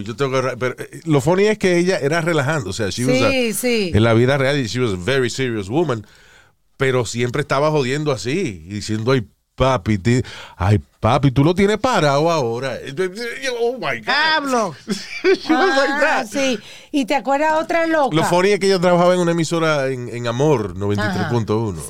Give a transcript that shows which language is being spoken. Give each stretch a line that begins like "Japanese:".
Spanish: Yo tengo que agarrar. Pero lo funny es que ella era relajando. O sea,
English: she was
Spanish: en la vida real,
English: she was a very serious woman.
Spanish: Pero siempre estaba jodiendo así y diciendo, ay, papi, ay, papi, tú lo tienes parado ahora.
English: Oh, my God.
Spanish: ¡Hablo! Sí. ¿Y te acuerdas otra loca? Lo funny es que ella trabajaba en una emisora en Amor 93.1.